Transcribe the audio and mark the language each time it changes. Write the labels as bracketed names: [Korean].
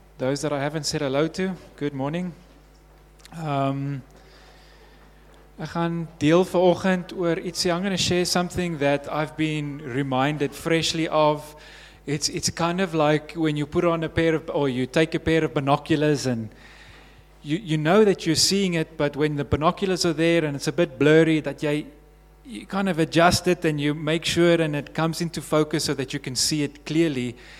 [English] Those that I haven't said hello to, good morning. [Afrikaans] Ek gaan deel vanoggend oor ietsie. [English] I'm going to share something that I've been reminded freshly of. It's kind of like when you put on a pair of, or you take a pair of binoculars and you know that you're seeing it, but when the binoculars are there and it's a bit blurry, that you kind of adjust it and you make sure and it comes into focus so that you can see it clearly.